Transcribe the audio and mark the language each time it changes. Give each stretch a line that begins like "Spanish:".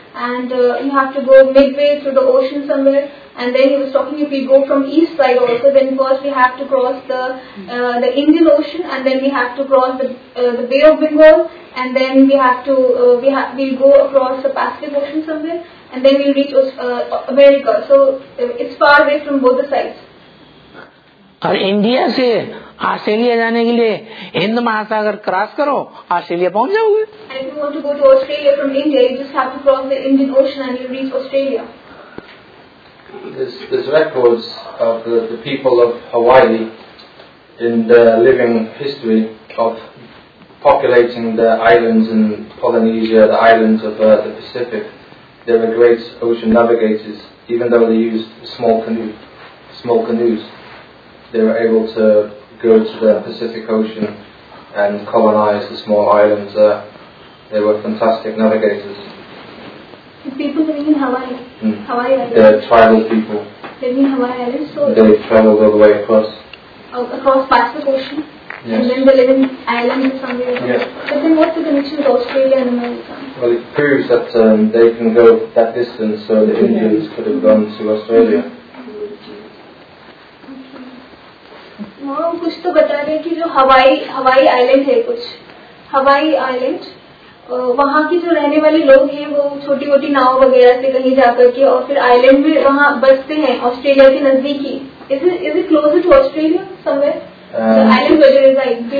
English: And you have to go midway through the ocean somewhere. And then he was talking, if we go from east side also, then first we have to cross the Indian Ocean, and then we have to cross the Bay of Bengal, and then we have to we'll go across the Pacific Ocean somewhere, and then we'll reach America. So it's far away from both the sides.
Hindi: और India से Australia जाने के लिए हिंद महासागर cross करो, Australia पहुंच जाओगे।
English: And if you want to go to Australia from India, you just have to cross the Indian Ocean and you reach Australia. There's records of the people of Hawaii in the living history of populating the islands in Polynesia, the islands of the Pacific. They were great ocean navigators, even though they used small canoes. They were able to go to the Pacific Ocean and colonize the small islands there. They were fantastic navigators. The people living in Hawaii. Hawaii Islands. The tribal people. They live in Hawaii Islands. They traveled all the way across. Across Pacific Ocean. Yes. And then they live in islands somewhere. Yes. But then what's the connection with Australia and America? Well, it proves that they can go that distance, so the Indians could have gone to Australia.
Hindi: कुछ तो बता रहे हैं कि जो Hawaii island है, कुछ Hawaii island वहाँ की जो रहने वाले लोग हैं वो छोटी मोटी नाव वगैरह से कहीं जाकर के और फिर आइलैंड में वहाँ बसते हैं ऑस्ट्रेलिया के नजदीक ही।
English: is it closer to Australia somewhere island weather is आइट